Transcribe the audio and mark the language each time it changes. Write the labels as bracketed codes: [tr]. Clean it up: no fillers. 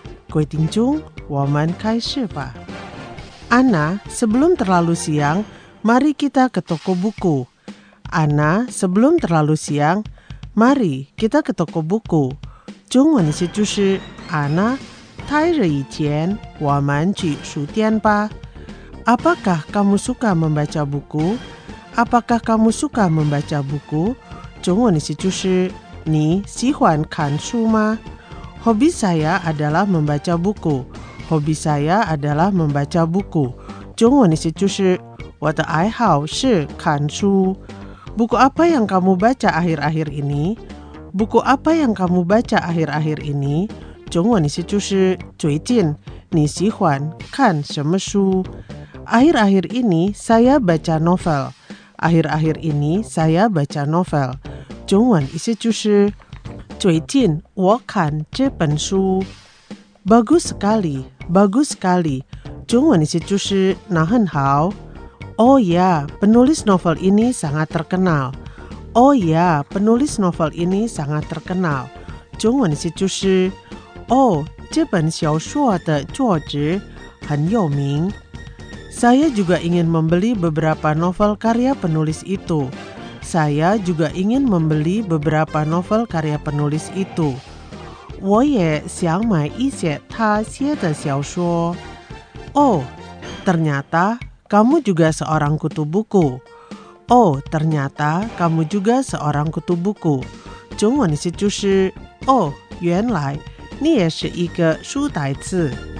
[zh] 各位听众，我们开始吧。 [id] Anna， sebelum terlalu siang mari kita ke toko buku。 Anna， sebelum terlalu siang mari kita ke toko buku。 [zh] 中文的词就是 Anna， 太热以前我们去书店吧。 [id] Apakah kamu suka membaca buku？ Apakah kamu suka membaca buku? [zh] 中文的词就是你喜欢看书吗？ [id] Hobi saya adalah membaca buku. Hobi saya adalah membaca buku. [zh] 中文的词就是我的爱好是看书。 [id] Buku apa yang kamu baca akhir-akhir ini? Buku apa yang kamu baca akhir-akhir ini? [zh] 中文的词就是最近你喜欢看什么书？ [id] Akhir-akhir ini saya baca novel. Akhir-akhir ini saya baca novel. [zh] 中文意思就是最近我看这本书。 [id] Bagus sekali, bagus sekali. [zh] 中文意思就是那很好。 [id] Oh ya, penulis novel ini sangat terkenal. Oh ya, penulis novel ini sangat terkenal. [zh] 中文意思就是 Oh, 这本小说的作者很有名。 [id] Saya juga ingin membeli beberapa novel karya penulis itu. Saya juga ingin membeli beberapa novel karya penulis itu. [zh] 我也想买一些他写的小说。 [id] Oh, ternyata kamu juga seorang kutu buku. Oh, ternyata kamu juga seorang kutu buku. [zh] 中文的意思就是 Oh, 原来你也是一个书呆子。